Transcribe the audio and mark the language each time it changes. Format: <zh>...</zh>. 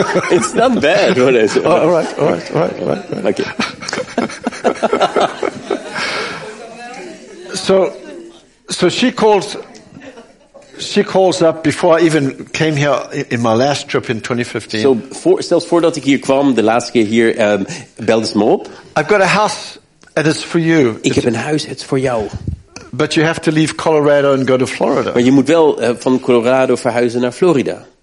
<en>It's not bad. What is it? Oh, all right. Okay. So she calls up before I even came here in my last trip in 2015.</en> <nl>So, zelfs voordat ik hier kwam, de laatste keer hier, belde ze me op.</nl> <en>I've got a house and it's for you.</en> <nl>Ik heb een huis, het is voor jou.</nl> <en>But you have to leave Colorado and go to Florida.</en> <nl>Maar je moet wel van Colorado verhuizen naar Florida.</nl>